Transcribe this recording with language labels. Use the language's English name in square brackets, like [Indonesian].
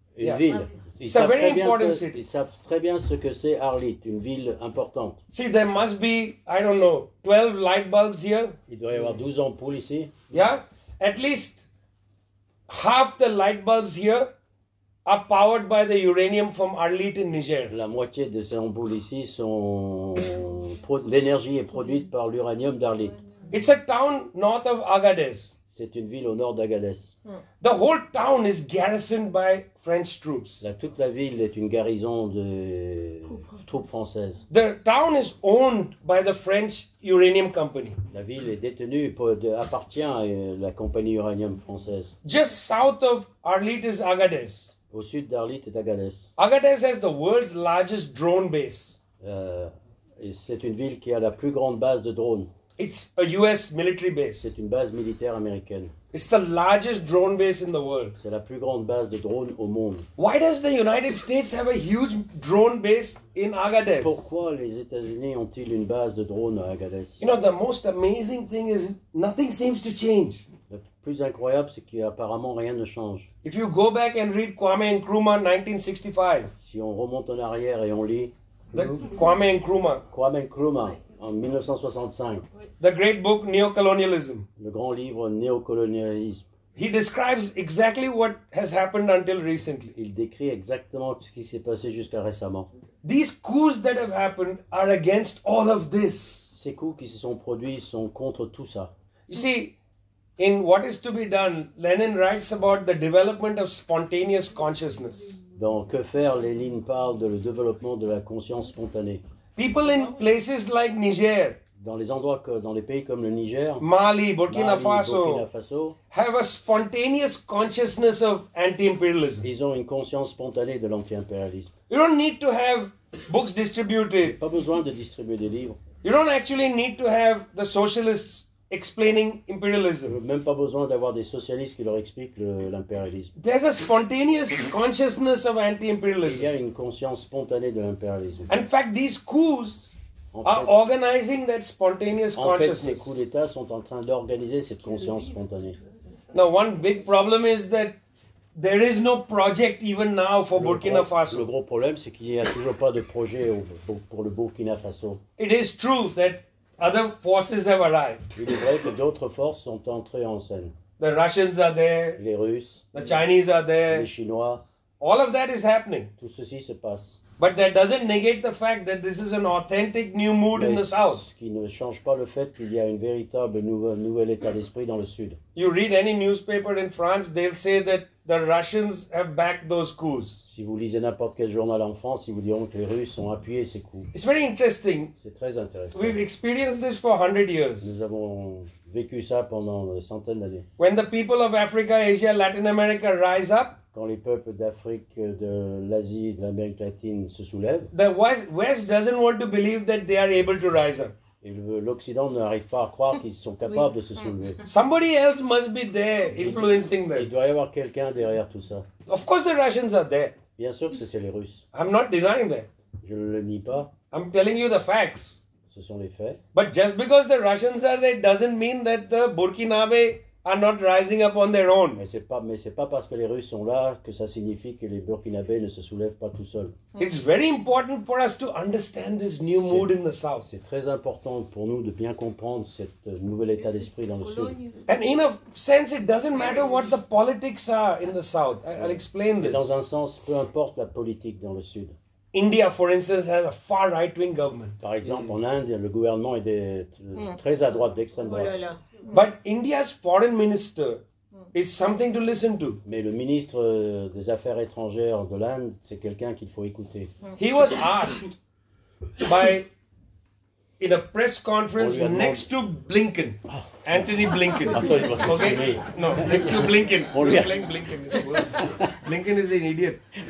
[French] Une ville. [English] It's a very important city. [French] Ils savent très bien ce que c'est Arlit, une ville importante. [English] See, there must be, I don't know, 12 light bulbs here. [French] Il doit y avoir 12 ampoules ici. [English] Yeah? At least half the light bulbs here are powered by the uranium from Arlit in Niger. [French] La moitié de ces ampoules ici sont l'énergie est produite par l'uranium d'Arlit. [English] It's a town north of Agadez. [French] C'est une ville au nord d'Agadez. [English] The whole town is garrisoned by French troops. [French] Toute la ville est une garnison de troupes françaises. [English] The town is owned by the French uranium company. [French] La ville est détenue appartient à la compagnie uranium française. [English] Just south of Arlit is Agadez. [French] Au sud d'Arlit est Agadez. [English] Agadez has the world's largest drone base. [French] C'est une ville qui a la plus grande base de drones. [English] It's a US military base. [French] C'est une base militaire américaine. [English] It's the largest drone base in the world. [French] C'est la plus grande base de drones au monde. [English] Why does the United States have a huge drone base in Agadez? [French] Pourquoi les États-Unis ont-ils une base de drones à Agadez? [English] You know, the most amazing thing is nothing seems to change. [French] Le plus incroyable, c'est qu'apparemment rien ne change. [English] If you go back and read Kwame Nkrumah 1965. [French] Si on remonte en arrière et on lit Kwame Nkrumah. Kwame Nkrumah. En 1965. [English] The great book Neocolonialism. [French] Le grand livre Néocolonialisme. [English] He describes exactly what has happened until recently. [French] Il décrit exactement ce qui s'est passé jusqu'à récemment. [English] These coups that have happened are against all of this. [French] Ces coups qui se sont produits sont contre tout ça. [English] You see, in What Is to Be Done, Lenin writes about the development of spontaneous consciousness. [French] Dans Que faire, Lénine parle de le développement de la conscience spontanée. [English] People in places like Niger, [French] dans les pays comme le Niger, [English] Mali, Burkina Faso, [French] Burkina Faso, [English] have a spontaneous consciousness of anti-imperialism. [French] Ils ont une conscience spontanée de l'anti-impérialisme. [English] You don't need to have books distributed. [French] Pas besoin de distribuer des livres. [English] You don't actually need to have the socialists explaining imperialism. [French] Même pas besoin d'avoir des socialistes qui leur expliquent l'impérialisme. [English] There's a spontaneous consciousness of anti-imperialism. [French] Il y a une conscience spontanée de l'impérialisme. [English] In fact, these coups are organizing that spontaneous consciousness. [French] En fait, ces coups d'État sont en train d'organiser cette conscience spontanée. [English] Now, one big problem is that there is no project even now for Burkina Faso. [French] Le gros problème, c'est qu'il n'y a toujours pas de projet pour le Burkina Faso. [English] It is true that other forces have arrived. [French] Il est vrai que d'autres forces sont entrées en scène. [English] The Russians are there. [French] Les Russes. [English] The Chinese are there. [French] Les Chinois. [English] All of that is happening. [French] Tout ceci se passe. [English] But that doesn't negate the fact that this is an authentic new mood in the south. [French] Ce qui ne change pas le fait qu'il y a une véritable nouvel état d'esprit dans le sud. [English] You read any newspaper in France, they'll say that the Russians have backed those coups. [French] Si vous lisez n'importe quel journal en France, ils vous diront que les Russes ont appuyé ces coups. [English] It's very interesting. [French] C'est très intéressant. [English] We've experienced this for 100 years. [French] Nous avons vécu ça pendant des centaines d'années. [English] When the people of Africa, Asia, Latin America rise up, [French] quand les peuples d'Afrique, de l'Asie, de l'Amérique latine se soulèvent, [English] the West doesn't want to believe that they are able to rise up. [French] L'Occident n'arrive pas à croire qu'ils sont capables de se soulever. [English] Somebody else must be there influencing them. [French] Il doit y avoir quelqu'un derrière tout ça. [English] Of course the Russians are there. [French] Bien sûr que ce sont les Russes. [English] I'm not denying that. [French] Je ne le nie pas. [English] I'm telling you the facts. [French] Ce sont les faits. [English] But just because the Russians are there doesn't mean that the Burkinabe are not rising up on their own. [French] Mais c'est pas parce que les Russes sont là que ça signifie que les Burkinabés ne se soulèvent pas tout seuls. [English] It's very important for us to understand this new mood in the south. [French] C'est très important pour nous de bien comprendre cette nouvel état d'esprit dans le sud. [English] And in a sense, it doesn't matter what the politics are in the south. I'll explain this. [French] Et dans un sens, peu importe la politique dans le sud. [English] India, for instance, has a far right-wing government. [French] Par exemple, en Inde, le gouvernement est très à droite, d'extrême droite. Voilà. [English] But India's foreign minister is something to listen to. [French] Mais le ministre des Affaires étrangères de l'Inde, c'est quelqu'un qu'il faut écouter. [English] He was asked by in a press conference next to Blinken, Anthony Blinken. I thought it was okay. No, next to Blinken. Blinken. Blinken is an idiot.